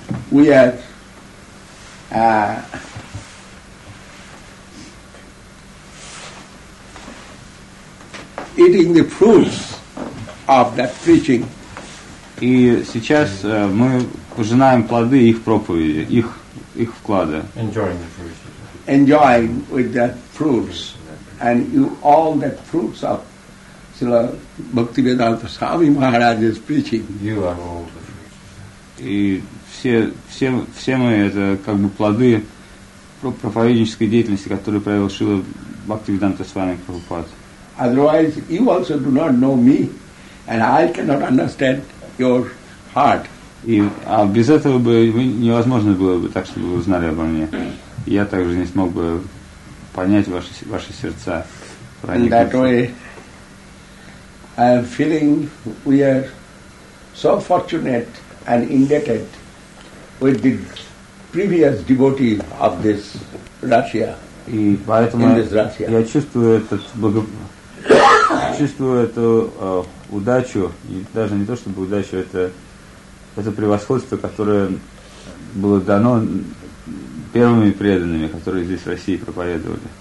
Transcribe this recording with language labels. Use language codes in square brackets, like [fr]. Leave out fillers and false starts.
[en] We are eating the fruits of that preaching. [ru] И сейчас мы пожинаем плоды их проповеди, их их вклада. [en] Enjoying the fruits. Enjoying with that fruits. And you all that fruits of Srila Bhaktivedanta Swami Maharaj's preaching. You are all the fruits. [ru] И все мы это как бы плоды проповеднической деятельности, которую провел Шрила Бхактивиданта Свами Прабхупад. [en] Otherwise, you also do not know me, and I cannot understand your heart. [ru] И, а без этого бы невозможно было бы так, чтобы вы узнали обо мне. Я также не смог бы понять ваши сердца. [en] In that way, I am feeling we are so fortunate and indebted with the previous devotee of this Russia. [ru] И поэтому [en] in this Russia. [ru] Я чувствую этот чувствую эту удачу, и даже не то чтобы удачу, это превосходство, которое было дано первыми преданными, которые здесь в России проповедовали.